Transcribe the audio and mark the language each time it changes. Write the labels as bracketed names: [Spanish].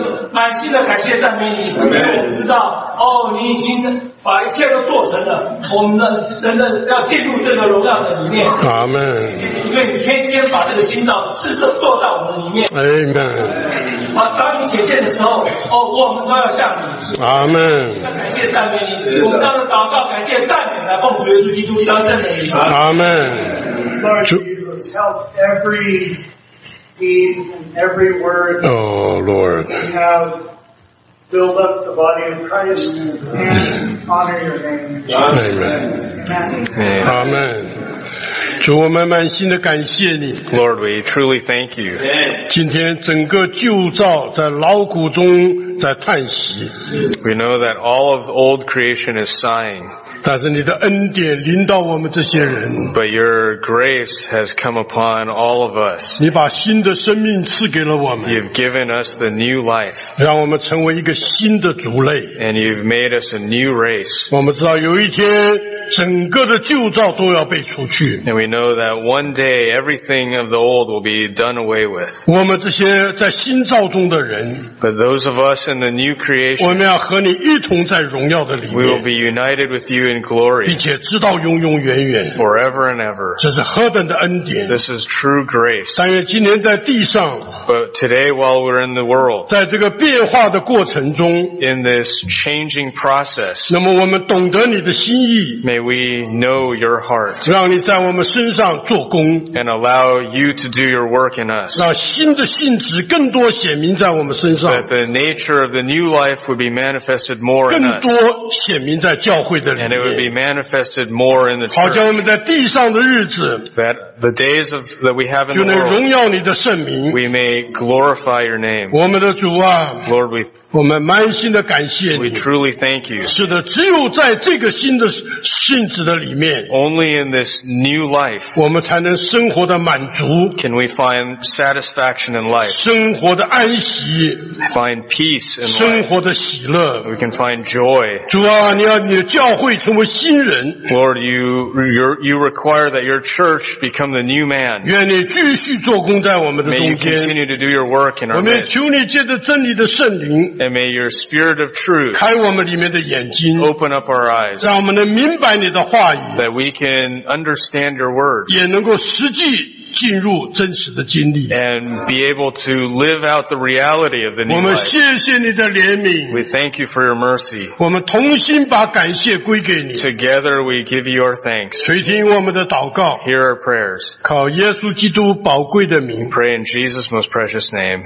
[Chinese] 满心的感谢赞美你，因为我们知道，哦，你已经把一切都做成了，我们的真的要进入这个荣耀的里面。阿们。因为你天天把这个心脏制作做到我们的里面。阿们。啊，当你显现的时候，哦，我们都要向你。阿们。感谢赞美你，我们当祷告感谢赞美来奉主耶稣基督得胜的名。阿们。 [English] Lord Jesus, help every deed and every word. Oh Lord. Build up the body of Christ and honor your name. Amen. Amen. Amen. Amen. [Chinese] 主，我们满心的感谢你。 [English] Lord, we truly thank you. [Chinese] 今天整个旧造在劳苦中在叹息。 [English] We know that all of old creation is sighing. [Chinese] 但是你的恩典临到我们这些人。 [English] But your grace has come upon all of us. [Chinese] 你把新的生命赐给了我们。 [English] You've given us the new life. [Chinese] 让我们成为一个新的族类。 [English] And you've made us a new race. [Chinese] 我们知道有一天整个的旧造都要被除去。 [English] And we know that one day everything of the old will be done away with. [Chinese] 我们这些在新造中的人。 [English] But those of us in the new creation. [Chinese] 我们要和你一同在荣耀的里面。 [English] We will be united with you in glory. [Chinese] 并且直到永永远远。 [English] Forever and ever. [Chinese] 这是何等的恩典。 [English] This is true grace. [Chinese] 但愿今天在地上。 [English] But today while we're in the world. [Chinese] 在这个变化的过程中。 [English] In this changing process. [Chinese] 那么我们懂得你的心意。 [English] May we know your heart. [Chinese] 让你在我们身上做工。 [English] And allow you to do your work in us. [Chinese] 让新的性质更多显明在我们身上。 [English] That the nature of the new life would be manifested more in us. [Chinese] 更多显明在教会的里面。 [English] And it would be manifested more in the church. [Chinese] 好叫我们在地上的日子。 [English] That the days of, that we have in the world. [Chinese] 就能荣耀你的圣名。 [English] We may glorify your name. [Chinese] 我们的主啊。 [English] Lord, we thank you. [Chinese] 我们满心的感谢你。 [English] We truly thank you. [Chinese] 是的，只有在这个新的性质的里面 [English] ，Only in this new life， [Chinese] 我们才能生活的满足 [English] ，Can we find satisfaction in life？ [Chinese] 生活的安息 [English] ，Find peace in life。 [Chinese] 生活的喜乐 [English] ，We can find joy。 [Chinese] 主啊，你要你的教会成为新人 [English] ，Lord， you require that your church become the new man。 [Chinese] 愿你继续做工在我们的中间 [English] ，May you continue to do your work in our midst。 [Chinese] 我们求你借着真理的圣灵。 [English] And may your spirit of truth [Chinese] 开我们里面的眼睛 [English] open up our eyes [Chinese] 让我们能明白你的话语 [English] that we can understand your word [Chinese] 也能够实际进入真实的经历 [English] and be able to live out the reality of the new life [Chinese] 我们谢谢你的怜悯 [English] we thank you for your mercy [Chinese] 我们同心把感谢归给你 [English] together we give you our thanks [Chinese] 垂听我们的祷告 [English] hear our prayers [Chinese] 靠耶稣基督宝贵的名 [English] pray in Jesus' most precious name